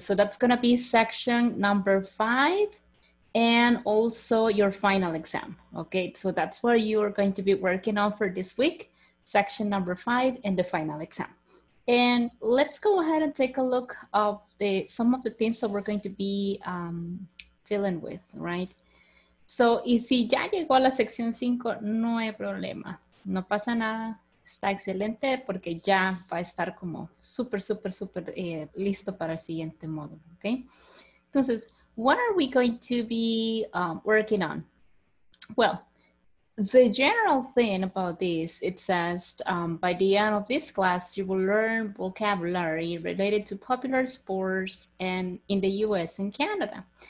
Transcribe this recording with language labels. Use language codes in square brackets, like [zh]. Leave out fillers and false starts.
[en] So that's going to be section number 5 and also your final exam. Okay, so that's what you are going to be working on for this week, section number 5 and the final exam. And let's go ahead and take a look of some of the things that we're going to be dealing with, right? [es] So, y si ya llegó a la sección 5, no hay problema. No pasa nada, está excelente porque ya va a estar como súper, súper, súper listo para el siguiente módulo, okay? [en] Entonces, what are we going to be working on? Well, the general thing about this, it says by the end of this class, you will learn vocabulary related to popular sports and in the US and Canada.